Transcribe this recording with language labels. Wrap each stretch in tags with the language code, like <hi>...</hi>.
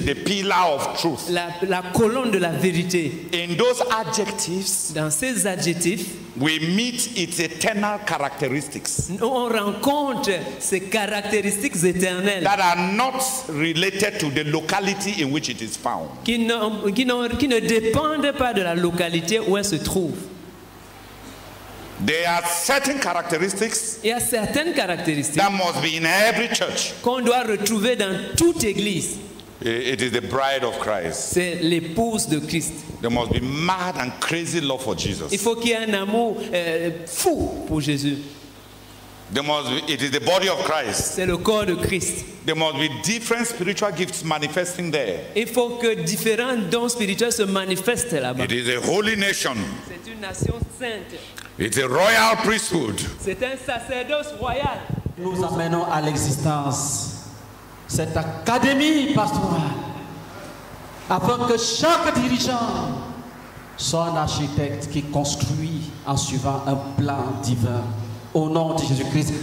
<en>The pillar of truth.</en> <fr>La colonne de la vérité.</fr> <en>In those adjectives,</en> <fr>dans ces adjectifs,</fr> <en>we meet its eternal characteristics.</en> <fr>On rencontre ses caractéristiques éternelles.</fr> <en>That are not related to the locality in which it is found.</en> <fr>Qui ne dépendent pas de la localité où elle se trouve.</fr> <en>There are certain characteristics.</en> <fr>Il y a certaines caractéristiques.</fr> <en>That must be in every church.</en> <fr>Qu'on doit retrouver dans toute église.</fr> <en>It is the bride of Christ.</en> <fr>C'est l'épouse de Christ.</fr> <en>There must be mad and crazy love for Jesus.</en> <fr>Il faut qu'il y ait un amour fou pour Jésus.</fr> <en>It is the body of Christ.</en> <fr>C'est le corps de Christ.</fr> <en>There must be different spiritual gifts manifesting there.</en> <fr>Il faut que différents dons spirituels se manifestent là-bas.</fr> <en>It is a holy nation.</en> <fr>C'est une nation sainte.</fr> <en>It's a royal priesthood.</en> <fr>C'est un sacerdoce royal. Nous amenons à l'existence cette académie pastorale afin que chaque dirigeant soit un architecte qui construit en suivant un plan divin au nom de Jésus-Christ.</fr>